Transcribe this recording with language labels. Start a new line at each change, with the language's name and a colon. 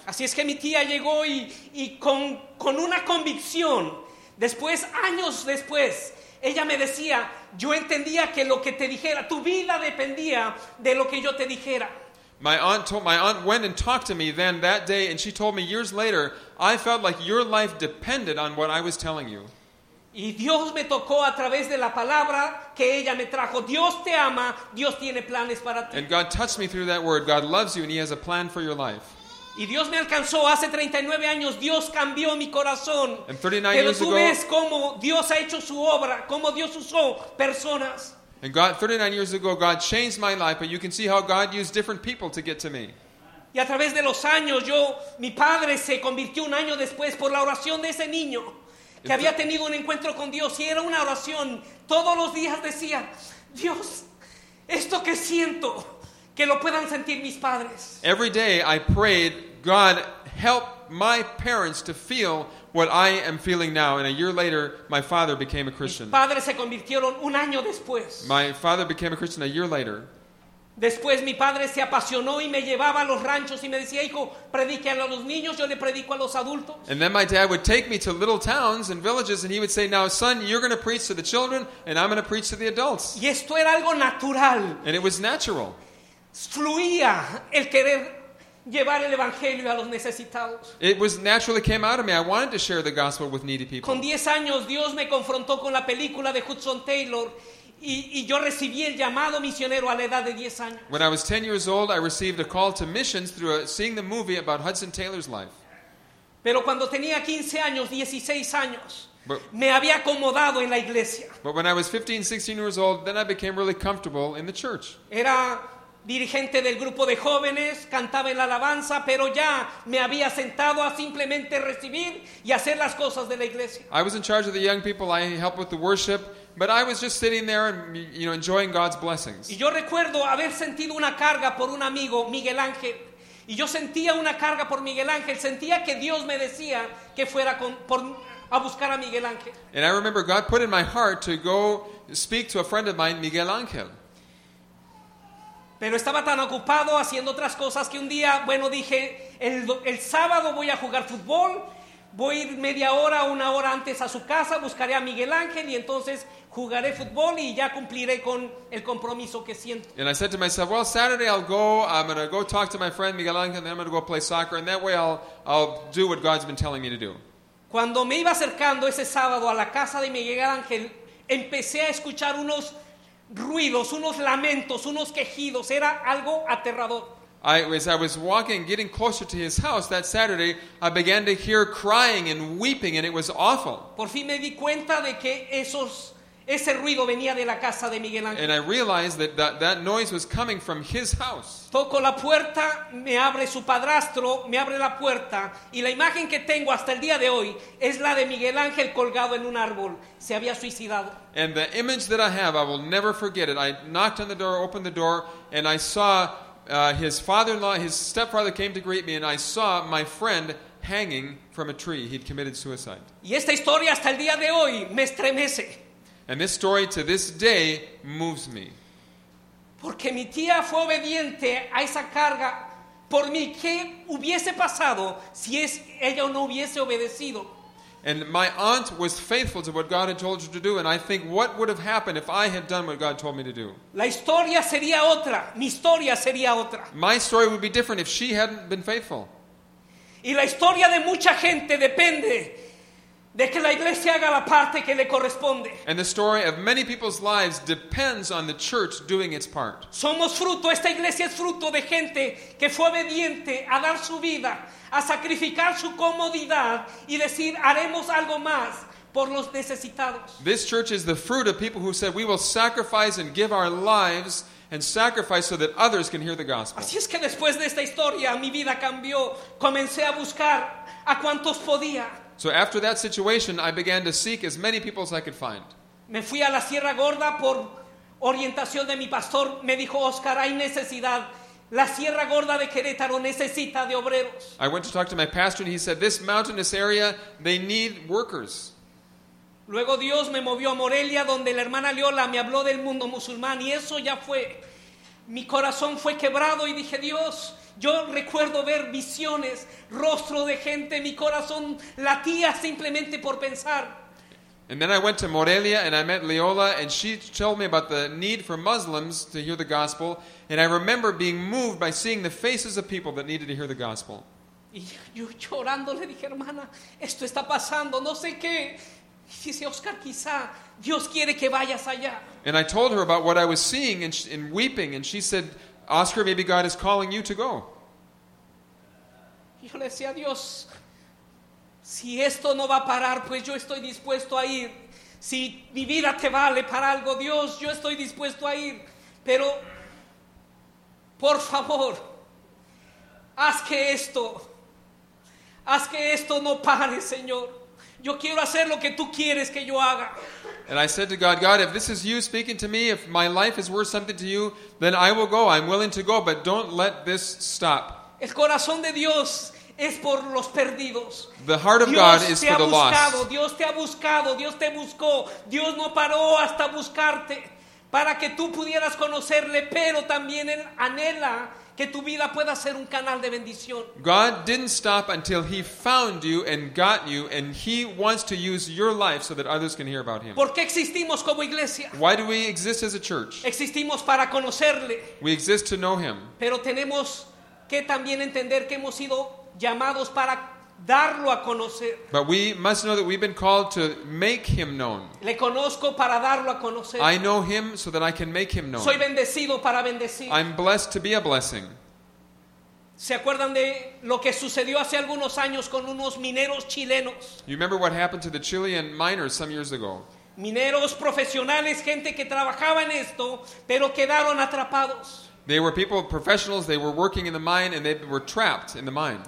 Spanish: Así es que mi tía llegó y con una convicción. Después, años después, ella me decía, yo entendía que lo que te dijera, tu vida dependía de lo que yo te dijera.
English: My aunt went and talked to me then that day, and she told me years later, I felt like your life depended on what I was telling you.
Spanish: Y Dios me tocó a través de la palabra que ella me trajo. Dios te ama, Dios tiene planes para ti.
English: And God touched me through that word. God loves you and he has a plan for your life.
Spanish: Y Dios me alcanzó hace 39 años. Dios cambió mi corazón.
English: And 39
Spanish: Pero
English: years ago,
Spanish: tú ves cómo Dios ha hecho su obra, cómo Dios usó personas.
English: And God, 39 years ago, God changed my life, but you can see how God used different people to get to me.
Spanish: Y a través de los años, yo, mi padre se convirtió un año después por la oración de ese niño que había tenido un encuentro con Dios, y era una oración. Todos los días decía, Dios, esto que siento, que lo puedan sentir mis padres.
English: Every day I prayed, God, help my parents to feel what I am feeling now. And a year later, my father became a Christian.
Spanish: Mis padres se convirtieron un año después.
English: My father became a Christian a year later.
Spanish: Después mi padre se apasionó y me llevaba a los ranchos y me decía, hijo, predique a los niños, yo le predico a los adultos.
English: And then my dad would take me to little towns and villages, and he would say, now son, you're going to preach to the children and I'm going to preach to the adults.
Spanish: Y esto era algo natural.
English: And it was natural.
Spanish: Fluía el querer llevar el evangelio a los necesitados.
English: It was naturally came out of me. I wanted to share the gospel with needy people.
Spanish: Con 10 años Dios me confrontó con la película de Hudson Taylor, y yo recibí el llamado misionero a la edad de 10 años.
English: When I was 10 years old, I received a call to missions through seeing the movie about Hudson Taylor's life.
Spanish: Pero cuando tenía 15 años, 16 años, me había acomodado en la iglesia.
English: But when I was 15, 16 years old, then I became really comfortable in the church.
Spanish: Era dirigente del grupo de jóvenes, cantaba en la alabanza, pero ya me había sentado a simplemente recibir y hacer las cosas de la iglesia.
English: I was in charge of the young people, I helped with the worship, but I was just sitting there and, you know, enjoying God's blessings.
Spanish: Y yo recuerdo haber sentido una carga por un amigo, Miguel Ángel. Y yo sentía una carga por Miguel Ángel, sentía que Dios me decía que fuera a buscar a Miguel Ángel.
English: And I remember God put in my heart to go speak to a friend of mine, Miguel Ángel.
Spanish: Pero estaba tan ocupado haciendo otras cosas que un día, bueno, dije, el sábado voy a jugar fútbol, voy a ir media hora, una hora antes a su casa, buscaré a Miguel Ángel y entonces jugaré fútbol y ya cumpliré con el compromiso que siento.
English: And I said to myself, well, Saturday I'll go, I'm going to go talk to my friend Miguel Ángel, and then I'm going to go play soccer, and that way I'll do what God's been telling me to do.
Spanish: Cuando me iba acercando ese sábado a la casa de Miguel Ángel, empecé a escuchar unos ruidos, unos lamentos, unos quejidos. Era algo aterrador.
English: As I was walking, getting closer to his house that Saturday, I began to hear crying and weeping, and it was awful.
Spanish: Por fin me di cuenta de que ese ruido venía de la casa de Miguel Ángel.
English: And I realized that noise was coming from his house.
Spanish: Toco la puerta, me abre su padrastro, me abre la puerta, y la imagen que tengo hasta el día de hoy es la de Miguel Ángel colgado en un árbol. Se había suicidado.
English: And the image that I have, I will never forget it. I knocked on the door, opened the door, and I saw his father-in-law, his stepfather came to greet me, and I saw my friend hanging from a tree. He'd committed suicide.
Spanish: Y esta historia hasta el día de hoy me estremece.
English: And this story to this day moves me.
Spanish: Porque mi tía fue obediente a esa carga por mí. ¿Qué hubiese pasado si ella no hubiese obedecido?
English: And my aunt was faithful to what God had told her to do, and I think, what would have happened if I had done what God told me to do?
Spanish: La historia sería otra. Mi historia sería otra.
English: My story would be different if she hadn't been faithful.
Spanish: Y la historia de mucha gente depende de que la iglesia haga la parte que le corresponde.
English: And the story of many people's lives depends on the church doing its part.
Spanish: Somos fruto, esta iglesia es fruto de gente que fue obediente a dar su vida, a sacrificar su comodidad y decir, haremos algo más por los necesitados.
English: This church is the fruit of people who said, we will sacrifice and give our lives and sacrifice so that others can hear the gospel.
Spanish: Así es que después de esta historia, mi vida cambió. Comencé a buscar a cuantos podía.
English: So after that situation, I began to seek as many people as I could find.
Spanish: Me fui a la Sierra Gorda por orientación de mi pastor. Me dijo, Oscar, hay necesidad. La Sierra Gorda de Querétaro necesita de obreros.
English: I went to talk to my pastor, and he said, this mountainous area, they need workers.
Spanish: Luego Dios me movió a Morelia, donde la hermana Leola me habló del mundo musulmán, y eso ya fue. Mi corazón fue quebrado, y dije, Dios, yo recuerdo ver visiones, rostro de gente, mi corazón latía simplemente por pensar.
English: And then I went to Morelia and I met Leola, and she told me about the need for Muslims to hear the gospel, and I remember being moved by seeing the faces of people that needed to hear the gospel.
Spanish: Y yo llorando le dije, hermana, esto está pasando, no sé qué. Y dice, Oscar, quizá Dios quiere que vayas allá.
English: And I told her about what I was seeing and weeping, and she said, Oscar, maybe God is calling you to go.
Spanish: Yo le decía, Dios, si esto no va a parar, pues yo estoy dispuesto a ir. Si mi vida te vale para algo, Dios, yo estoy dispuesto a ir. Pero, por favor, haz que esto no pare, Señor. Yo quiero hacer lo que tú quieres que yo haga.
English: And I said to God, God, if this is you speaking to me, if my life is worth something to you, then I will go. I'm willing to go, but don't let this stop.
Spanish: El corazón de Dios es por los perdidos.
English: The heart of God is for the lost.
Spanish: Dios te ha buscado, Dios te buscó. Dios no paró hasta buscarte para que tú pudieras conocerle, pero también Él anhela que tu vida pueda ser un canal de bendición.
English: God didn't stop until He found you and got you, and He wants to use your life so that others can hear about Him.
Spanish: ¿Por qué existimos como iglesia?
English: Why do we exist as a church?
Spanish: Existimos para conocerle.
English: We exist to know Him.
Spanish: Pero tenemos que también entender que hemos sido llamados para darlo a conocer.
English: But we must know that we've been called to make Him known.
Spanish: Le conozco para darlo a conocer.
English: I know Him so that I can make Him known.
Spanish: Soy bendecido para bendecir.
English: I'm blessed to be a blessing.
Spanish: ¿Se acuerdan de lo que sucedió hace algunos años con unos mineros chilenos?
English: You remember what happened to the Chilean miners some years ago?
Spanish: Mineros profesionales, gente que trabajaba en esto, pero quedaron atrapados.
English: They were people, professionals, they were working in the mine and they were trapped in the mine.